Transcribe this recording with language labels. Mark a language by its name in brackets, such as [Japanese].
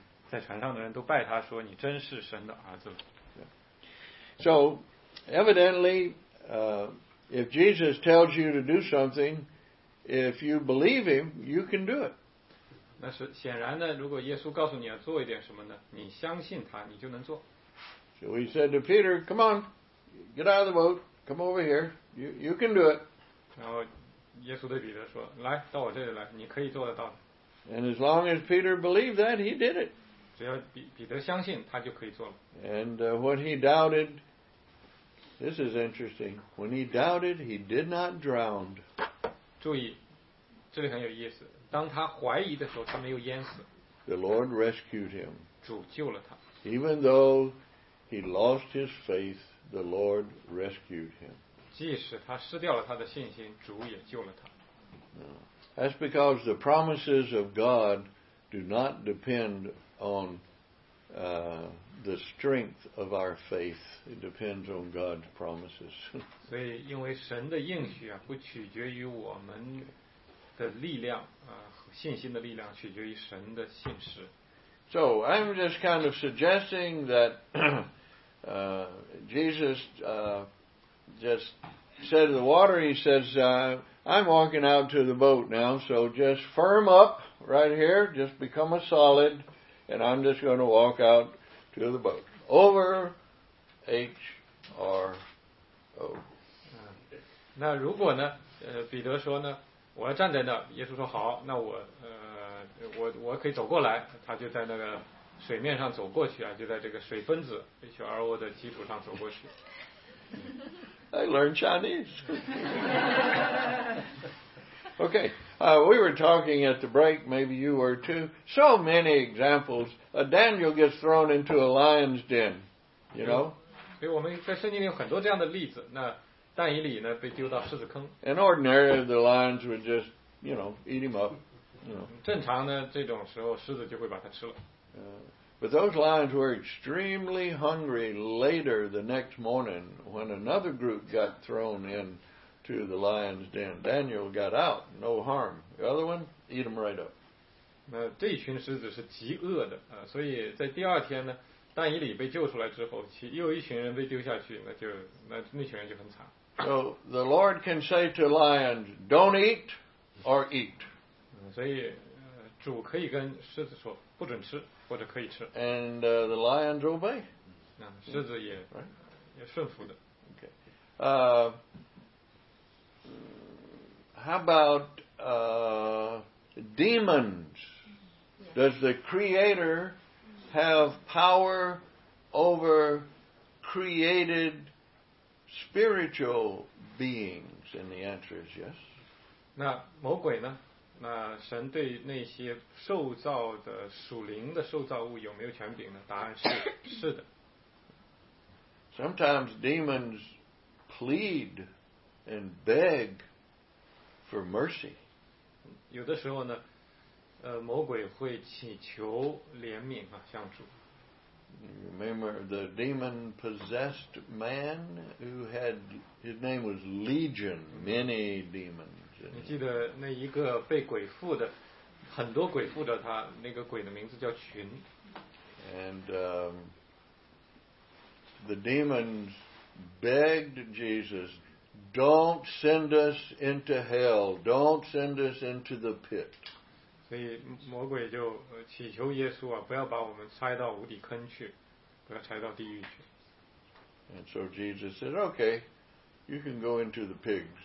[Chinese] 在船上的人都拜他说，你真是神的儿子。 [English] So, evidently, if Jesus tells you to do something, if you believe him, you can do it. [Chinese] 那是显然的，如果耶稣告诉你要做一点什么呢，你相信他，你就能做。 [English] So he said to Peter, "Come on, get out of the boat. Come over here. You can do it." [Chinese] 然后耶稣对彼得说，来，到我这里来，你可以做得到。 [English] And as long as Peter believed that, he did it. [Chinese] 只要彼得相信，他就可以做了。 [English] And when he doubted, this is interesting. When he doubted, he did not drown. [Chinese] 注意，这里很有意思。当他怀疑的时候，他没有淹死。 [English] The Lord rescued him. [Chinese] 主救了他。 [English] Even though he lost his faith, the Lord rescued him. [Chinese] 即使他失掉了他的信心，主也救了他。 [English] That's because the promises of God do not depend on the strength of our faith. It depends on God's promises. [Chinese] 所以，因为神的应许啊，不取决于我们的力量啊，信心的力量取决于神的信实。 [English] So I'm just kind of suggesting that Jesus just said to the water, he says, I'm walking out to the boat now, so just firm up right here, just become a solid, and I'm just going to walk out to the boat. Over H-R-O. [Chinese] 那如果呢，彼得说呢，我要站在那，耶稣说好，那我可以走过来，他就在那个水面上走过去啊，就在这个水分子 HRO 的基础上走过去。 [English] I learned Chinese. Okay, we were talking at the break, maybe you were too. So many examples. Daniel gets thrown into a lion's den, you know? [Chinese] 所以我们在圣经里有很多这样的例子，那但以理呢被丢到狮子坑。 [English] And ordinarily the lions would just, you know, eat him up. You know. [Chinese] 正常呢这种时候狮子就会把它吃了。 [English] But those lions were extremely hungry later the next morning when another group got thrown in to the lion's den. Daniel got out, no harm. The other one, eat them right up. [Chinese] 那这群狮子是极饿的啊，所以在第二天呢，但以理被救出来之后，其又一群人被丢下去，那就那群人就很惨。 [English] So the Lord can say to lions, "Don't eat or eat." [Chinese] 所以主可以跟狮子说不准吃。或者可以吃。 [English] And the lions obey. [Chinese] 那狮子也、 [English] right? [Chinese] 也顺服的。 [English] Okay. How about demons? Does the Creator have power over created spiritual beings? And the answer is yes. [Chinese] 那魔鬼呢？那神对那些受造的属灵的受造物有没有权柄呢？答案是是的。 [English] Sometimes demons plead and beg for mercy. [Chinese] 有的时候呢，魔鬼会祈求怜悯啊，向主。 [English] Remember the demon possessed man who had his name was Legion, many demons. [Chinese] 你记得那一个被鬼附的，很多鬼附着他，那个鬼的名字叫群。 [English] And the demons begged Jesus, "Don't send us into hell. Don't send us into the pit." [Chinese] 所以魔鬼就祈求耶稣啊，不要把我们拆到无底坑去，不要拆到地狱去。 [English] And so Jesus said, "Okay, you can go into the pigs."